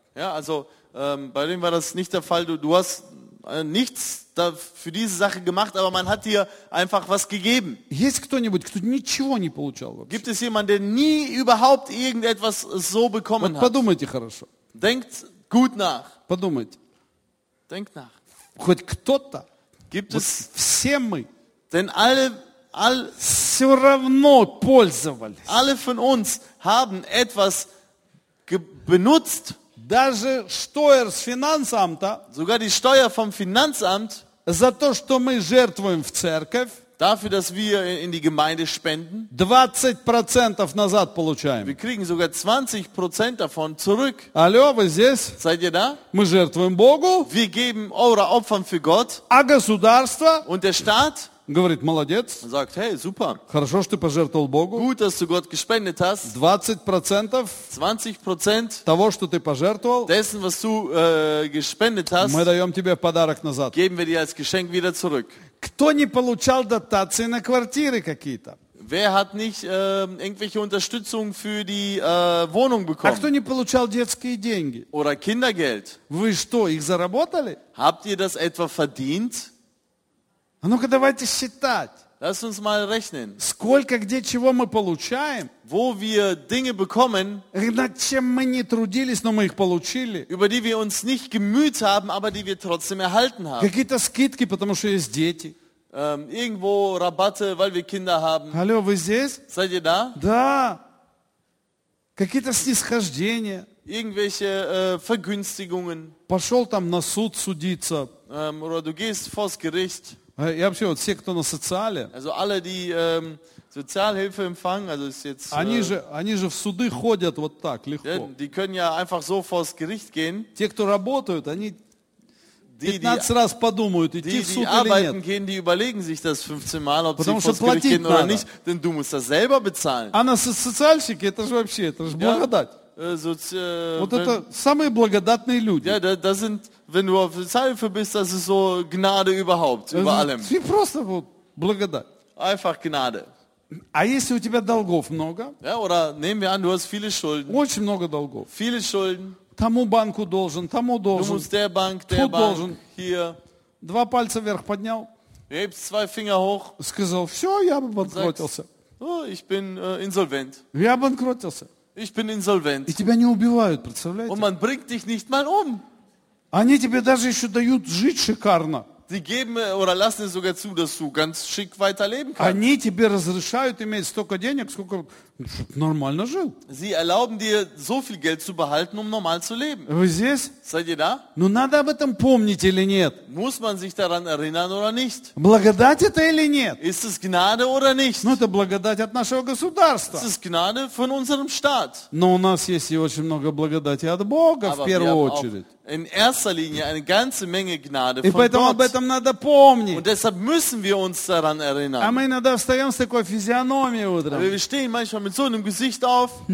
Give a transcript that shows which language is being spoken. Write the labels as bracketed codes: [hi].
[de] Ja, also bei dem war das nicht der Fall. Du hast nichts für diese Sache gemacht, aber man hat dir einfach was gegeben. [ru] Есть кто-нибудь, кто ничего не получал вообще? [de] Gibt es jemanden, der nie überhaupt irgendetwas so bekommen hat? [ru] Подумайте хорошо. [de] Denkt gut nach. [ru] Подумайте. [de] Denk nach. [ru] Хоть кто-то. [de] Gibt es? [ru] Вот все мы. [de] Denn alle. [ru] Все равно пользовались. [de] Alle von uns haben etwas benutzt. [ru] Даже Steuer с Finanzamta. [de] Sogar die Steuer vom Finanzamt. [ru] За то, что мы жертвуем в церковь. [de] Dafür, dass wir in die Gemeinde spenden. [ru] 20% назад получаем. [de] Wir kriegen sogar 20% davon zurück. [ru] Алло, вы здесь? [de] Seid ihr da? [ru] Мы жертвуем Богу. [de] Wir geben eure Opfer für Gott. [ru] А государство? [de] Und der Staat? [ru] Говорит, молодец. [de] Sagt, hey, super. [ru] Хорошо, что ты пожертвовал Богу. [de] Gut, dass du Gott gespendet hast. [ru] 20%. [de] 20% [ru] того, что ты пожертвовал. [de] Dessen, was du gespendet hast. [ru] Мы даем тебе в подарок назад. [de] Geben wir dir als Geschenk wieder zurück. [ru] Кто не получал дотации на квартиры какие-то? [de] Wer hat nicht irgendwelche Unterstützung für die Wohnung bekommen? [ru] А кто не получал детские деньги? [de] Oder Kindergeld? [ru] Вы что, их заработали? [de] Habt ihr das etwa verdient? [ru] А ну-ка давайте считать. [de] Lass uns mal rechnen. [ru] Сколько где чего мы получаем? [de] Wo wir Dinge bekommen, [ru] над чем мы не трудились, но мы их получили. [de] Über die wir uns nicht gemüht haben, aber die wir trotzdem erhalten haben. [ru] Какие-то скидки, потому что есть дети. [de] Irgendwo Rabatte, weil wir Kinder haben. [ru] Алло, вы здесь? [de] Seid ihr da? [ru] Да. Какие-то снисхождения. [de] Irgendwelche Vergünstigungen. [ru] Пошел там на суд судиться. [de] Oder du gehst vors Gericht. [ru] И вообще вот все, кто на социале, [de] also alle, die, Sozialhilfe empfangen, also ist jetzt, [ru] они же в суды ходят вот так легко. [de] Die können ja einfach so vors Gericht gehen. [ru] Те, кто работают, они 15 раз подумают, идти в суд [de] die [ru] или нет. [de] Gehen, die überlegen sich das 15 Mal, ob [ru] потому [de] sie vors Gericht gehen [ru] надо. [de] Oder nicht, denn du musst das selber bezahlen. [ru] А на социальщики, это же вообще, это же благодать. Вот это самые благодатные люди. [de] Ja, das sind, wenn du auf Sozialhilfe bist, das ist so Gnade überhaupt, über allem. Wie [ru] просто вот благодать. [de] Einfach Gnade. [ru] А если у тебя долгов много? [de] Ja, oder nehmen wir an, du hast viele Schulden. [ru] Очень много долгов. [de] Viele Schulden. [ru] Тому банку должен, тому должен. [de] Du musst der Bank, der Bank, [ru] должен. [de] Hier. [ru] Два пальца вверх поднял. [de] Hebst zwei Finger hoch. [ru] Сказал, все, я бы банкротился. [de] Oh, ich bin insolvent. [ru] Я банкротился. [de] Ich bin insolvent. [ru] И тебя не убивают, представляете? [de] Und man bringt dich nicht mal um. [ru] Они тебе даже еще дают жить шикарно. [de] Die geben oder lassen es sogar zu, dass du ganz schick weiterleben kannst. [ru] Они тебе разрешают иметь столько денег, сколько нормально жил. [de] Sie erlauben dir so viel Geld zu behalten, um normal zu leben. [ru] Вы здесь? [de] Seid ihr da? [ru] Но надо об этом помнить или нет? [de] Muss man sich daran erinnern oder nicht? [ru] Благодать это или нет? [de] Ist es Gnade oder nicht? [ru] Ну это благодать от нашего государства. [de] Es ist Gnade von unserem Staat. [ru] Но у нас есть и очень много благодати от Бога. [de] Aber [ru] в первую очередь. [de] In erster Linie eine ganze Menge Gnade [ru] И [de] von [ru] поэтому [de] Gott. [ru] Об [de] Und deshalb müssen wir uns daran erinnern. [ru] А мы иногда встаем с такой физиономией утром. [de] Wir stehen manchmal mit so einem Gesicht auf.